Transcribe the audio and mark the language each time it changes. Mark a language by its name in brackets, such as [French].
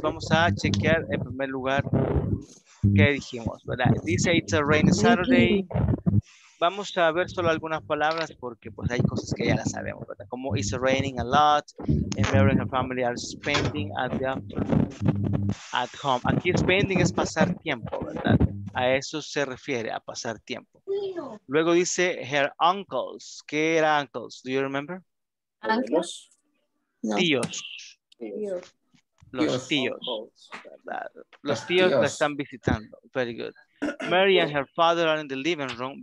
[Spanish] Vamos a chequear en primer lugar qué dijimos, ¿verdad? Dice, [English] it's a rainy Saturday. [Spanish] Vamos a ver solo algunas palabras porque pues hay cosas que ya las sabemos, ¿verdad? Como [English] it's raining a lot, and Mary and her family are spending at the afternoon at home. [Spanish] Aquí spending es pasar tiempo, ¿verdad? A eso se refiere, a pasar tiempo. Luego dice, her uncles. ¿Qué era uncles? [English] Do you remember? Uncles. [Spanish] Tíos. Tíos. Los tíos, ¿verdad? Los tíos la están visitando. [English] Very good. Mary and her father are in the living room.